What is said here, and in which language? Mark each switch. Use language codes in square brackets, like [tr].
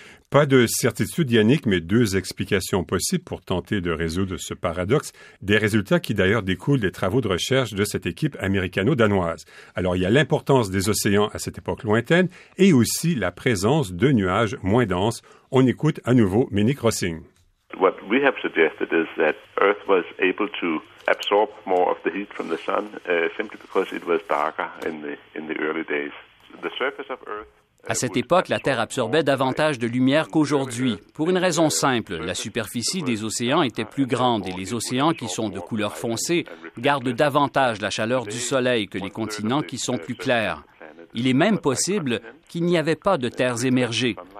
[fr] Pas de certitude, Yannick, mais deux explications possibles pour tenter de résoudre ce paradoxe. Des résultats qui d'ailleurs découlent des travaux de recherche de cette équipe américano-danoise. Alors, il y a l'importance des océans à cette époque lointaine et aussi la présence de nuages moins denses. On écoute à nouveau Minik Rosing. [en] What we have suggested is that Earth was able to absorb more of the heat from the sun simply because it was darker in the early days. The surface of Earth. [fr] À cette époque, la Terre absorbait davantage de lumière qu'aujourd'hui. Pour une raison simple, la superficie des océans était plus grande et les océans qui sont de couleur foncée gardent davantage la chaleur du soleil que les continents qui sont plus clairs. Il est même possible qu'il n'y avait pas de terres émergées.